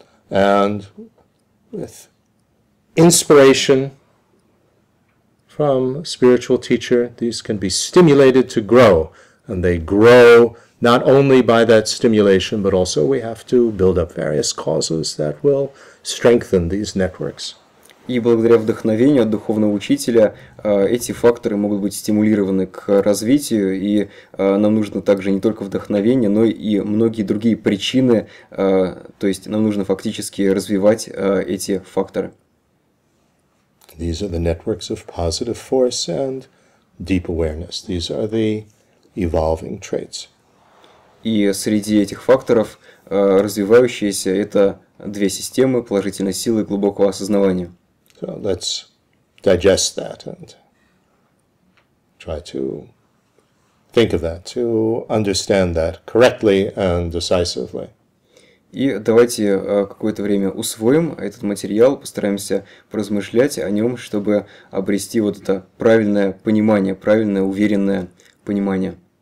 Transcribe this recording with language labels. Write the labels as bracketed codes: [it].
[en] And with inspiration from spiritual teacher, these can be stimulated to grow, and they grow not only by that stimulation, but also we have to build up various causes that will strengthen these networks. [ru] И благодаря вдохновению от духовного учителя эти факторы могут быть стимулированы к развитию, и нам нужно также не только вдохновение, но и многие другие причины, то есть нам нужно фактически развивать эти факторы. [en] These are the networks of positive force and deep awareness. These are the evolving traits. [ru] И среди этих факторов развивающиеся – это две системы положительной силы и глубокого осознавания. [en] So let's digest that and try to think of that, to understand that correctly and decisively. [ru] И давайте какое-то время усвоим этот материал, постараемся поразмышлять о нем, чтобы обрести вот это правильное понимание, правильное уверенное понимание.